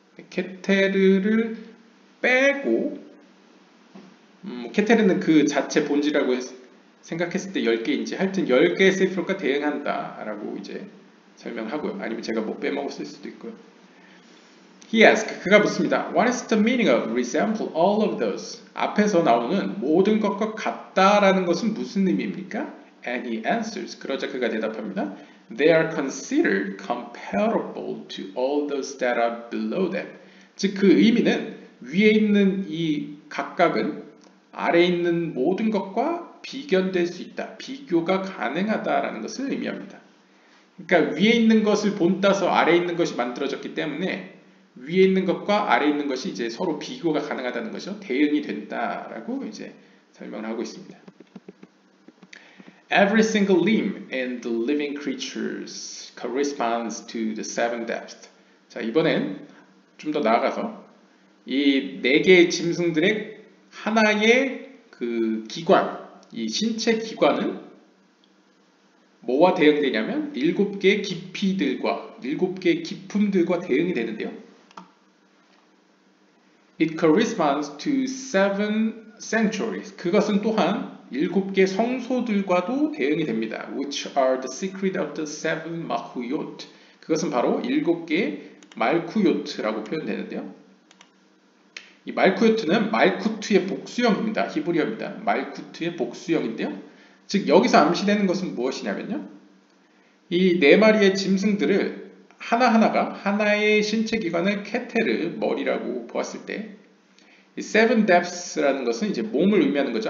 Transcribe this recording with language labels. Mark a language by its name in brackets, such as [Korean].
[Korean] 케테르를 빼고 케테르는 그 자체 본질이라고 생각했을 때 10개인지 하여튼 10개의 세피롯과 대응한다 라고 이제 설명하고요. 아니면 제가 뭐 빼먹었을 수도 있고요. [English] He asked, [Korean] 그가 묻습니다. [English] What is the meaning of resemble all of those? [Korean] 앞에서 나오는 모든 것과 같다 라는 것은 무슨 의미입니까? [English] And he answers, [Korean] 그러자 그가 대답합니다. [English] They are considered comparable to all those that are below them. [Korean] 즉 그 의미는 위에 있는 이 각각은 아래 있는 모든 것과 비견될 수 있다. 비교가 가능하다라는 것을 의미합니다. 그러니까 위에 있는 것을 본따서 아래 있는 것이 만들어졌기 때문에 위에 있는 것과 아래 있는 것이 이제 서로 비교가 가능하다는 것이죠. 대응이 된다라고 이제 설명을 하고 있습니다. [English] Every single limb in the living creatures corresponds to the seven depths. [Korean] 자, 이번엔 좀 더 나아가서 이 네 개의 짐승들의 하나의 그 기관, 이 신체 기관은 뭐와 대응되냐면 일곱 개의 깊이들과 일곱 개의 깊음들과 대응이 되는데요. [English] It corresponds to seven sanctuaries. [Korean] 그것은 또한 일곱 개 성소들과도 대응이 됩니다. [English] Which are the secret of the seven makhuyot. [Korean] 그것은 바로 일곱 개 말쿠요트라고 표현되는데요. 이 말쿠요트는 말쿠트의 복수형입니다. 히브리어입니다. 말쿠트의 복수형인데요. 즉 여기서 암시되는 것은 무엇이냐면요. 이 네 마리의 짐승들을 하나하나가 하나의 신체 기관을 케테르 머리라고 보았을 때 이 [English] seven depths [Korean] 라는 것은 이제 몸을 의미하는 거죠.